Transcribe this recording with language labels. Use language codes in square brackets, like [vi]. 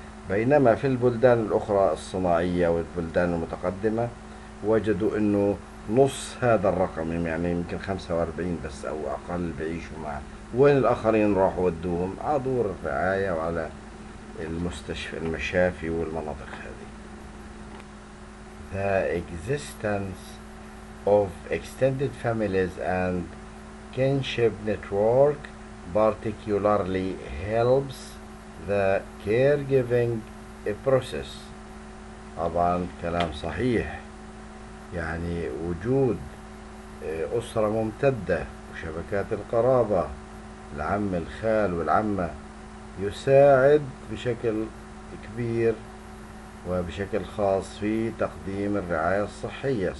[ar] بينما في البلدان الاخرى الصناعية والبلدان المتقدمة وجدوا انه نص هذا الرقم، يعني يمكن 45 بس او اقل بيعيشوا معه، وين الاخرين راحوا ودوهم على دور الرعاية وعلى المستشفى المشافي والمناطق. [en] The existence of extended families and kinship network particularly helps the caregiving process. [ar] طبعا كلام صحيح، يعني وجود أسرة ممتدة وشبكات القرابة العم الخال والعمة يساعد بشكل كبير وبشكل خاص في تقديم الرعاية الصحية.